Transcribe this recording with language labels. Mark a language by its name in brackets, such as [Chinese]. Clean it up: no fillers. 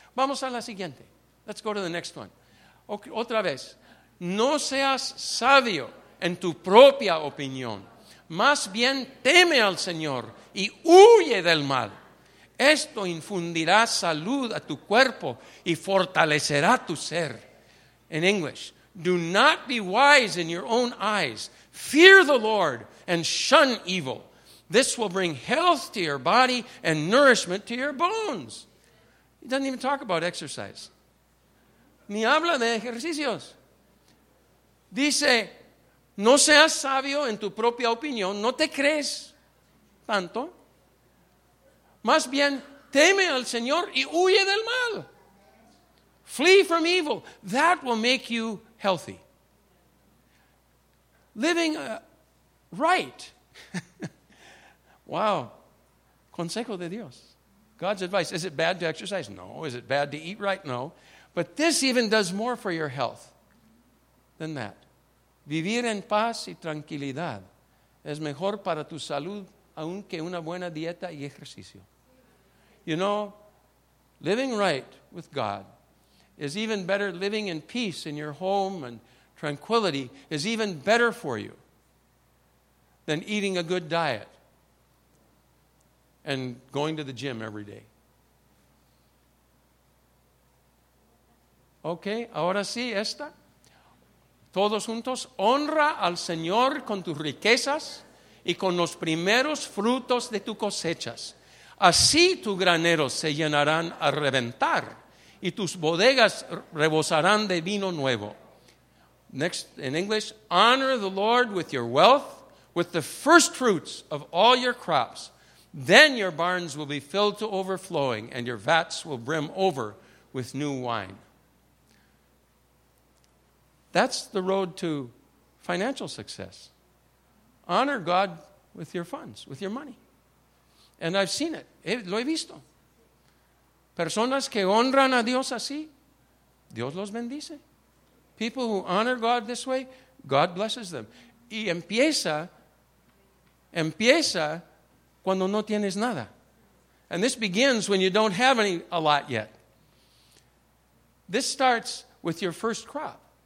[Spanish] Vamos a la siguiente. [English] Let's go to the next one. Okay, [Spanish] otra vez. No seas sabio en tu propia opinión. Más bien teme al Señor y huye del mal. Esto infundirá salud a tu cuerpo y fortalecerá tu ser. [English] In English, do not be wise in your own eyes. Fear the Lord and shun evil. This will bring health to your body and nourishment to your bones. He doesn't even talk about exercise. [Spanish] Ni habla de ejercicios. Dice, no seas sabio en tu propia opinión. No te crees tanto. Más bien, teme al Señor y huye del mal. [English] Flee from evil. That will make you healthy. Living right. Wow. [Spanish] Consejo de Dios. [English] God's advice. Is it bad to exercise? No. Is it bad to eat right? No. But this even does more for your health than that. [Spanish] Vivir en paz y tranquilidad es mejor para tu salud aun que una buena dieta y ejercicio. [English] You know, living right with God is even better. Living in peace in your home and tranquility is even better for you than eating a good diet and going to the gym every day. [Spanish] Okay, ahora sí, esta. Todos juntos, honra al Señor con tus riquezas y con los primeros frutos de tus cosechas. Así tus graneros se llenarán a reventar y tus bodegas rebosarán de vino nuevo. [English] Next, in English, honor the Lord with your wealth, with the first fruits of all your crops. Then your barns will be filled to overflowing and your vats will brim over with new wine. That's the road to financial success. Honor God with your funds, with your money. And I've seen it. [Spanish] Lo he visto. Personas que honran a Dios así, Dios los bendice. [English] People who honor God this way, God blesses them. [Spanish] Y empieza cuando no tienes nada. [English] And this begins when you don't have a lot yet. This starts with your first crop.